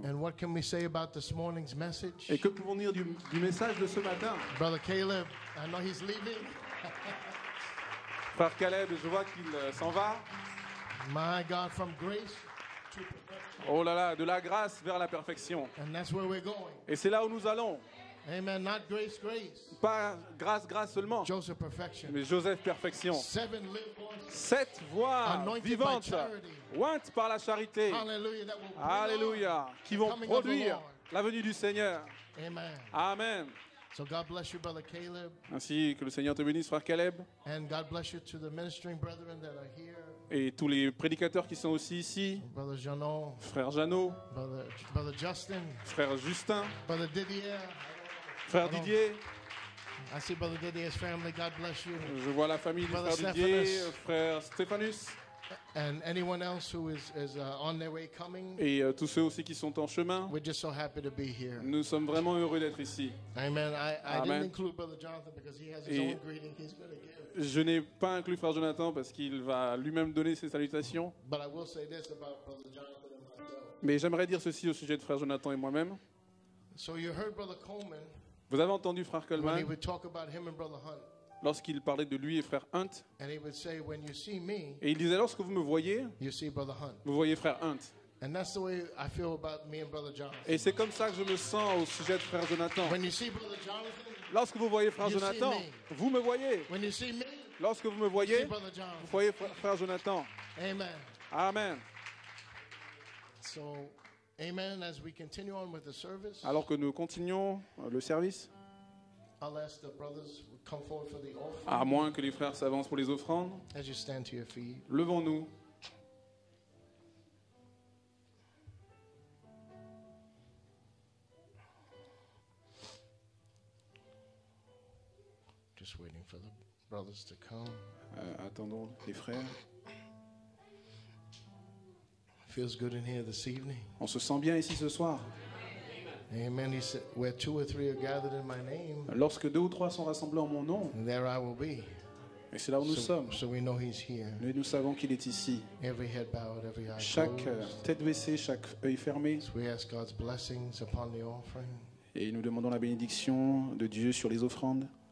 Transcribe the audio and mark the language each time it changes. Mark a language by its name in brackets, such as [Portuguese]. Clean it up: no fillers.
[English] And what can we say about this morning's message? [French] Et que pouvons-nous dire du message de ce matin? [English] Brother Caleb, I know he's leaving. [French] Frère Caleb, je vois qu'il s'en va. [English] My God, from grace to perfection. [French] Oh là là, de la grâce vers la perfection. [English] And that's where we're going. [French] Et c'est là où nous allons. [English] Amen. Not grace, grace. [French] Pas grâce, grâce seulement. [English] Joseph perfection. [French] Mais Joseph perfection. [English] Seven live voices. [French] Sept voix [English] anointed [French] vivantes, ointes par la charité. Alléluia. Qui vont produire la venue du Seigneur. Amen. Amen. [English] So God bless you, brother Caleb. [French] Ainsi que le Seigneur te bénisse, frère Caleb. [English] And God bless you to the ministering brethren that are here. [French] Et tous les prédicateurs qui sont aussi ici. [English] Brother Jeannot. [French] Frère Jeannot. [English] Brother Justin. [French] Frère Justin. [English] Brother Didier. [French] Frère Didier, [English] I see Brother Didier's family. God bless you. [French] Je vois la famille du frère Didier, frère Stéphanus, [English] and anyone else who is on their way coming. [French] Et tous ceux aussi qui sont en chemin. [English] We're just so happy to be here. [French] Nous sommes vraiment heureux d'être ici. [English] Amen. I didn't include Brother Jonathan because he has his own greeting he's going to give. [French] Je n'ai pas inclus frère Jonathan parce qu'il va lui-même donner ses salutations. [English] But I will say this about Brother Jonathan and myself. [French] Mais j'aimerais dire ceci au sujet de frère Jonathan et moi-même. [English] So you heard Brother Coleman. [French] Vous avez entendu frère Coleman [English] when he would talk about him and Brother Hunt, [French] lorsqu'il parlait de lui et frère Hunt. [English] And he would say, when you see me, [French] et il disait, lorsque vous me voyez, [English] you see Brother Hunt. [French] Vous voyez frère Hunt. [English] And that's the way I feel about me and Brother Jonathan. [French] Et c'est comme ça que je me sens au sujet de frère Jonathan. [English] When you see Brother Jonathan, [French] lorsque vous voyez frère [English] you [French] Jonathan, [English] see me. [French] Vous me voyez. [English] When you see me, [French] lorsque vous me voyez, [English] you see Brother Jonathan. [French] Vous voyez frère Jonathan. [English] Amen. [French] Amen. [English] So, amen. As we continue on with the service, [French] alors que nous continuons le service, [English] I'll ask the brothers come forward for the offering. [French] À moins que les frères s'avancent pour les offrandes, [English] as you stand to your feet, [French] levons-nous. [English] Just waiting for the brothers to come. [French] Attendons les frères. [English] Feels good in here this evening. [French] On se sent bien ici ce soir. [English] Amen. He said, where two or three are gathered in my name, [French] lorsque deux ou trois sont rassemblés en mon nom, [English] there I will be. [French] Et c'est là où nous sommes. [English] So we know he's here. [French] Mais nous savons qu'il est ici. [English] Every head bowed, every eye closed. [French] Chaque tête baissée, chaque œil fermé. [English] So we ask God's blessings upon the offering. [French] Et nous demandons la bénédiction de Dieu sur les offrandes.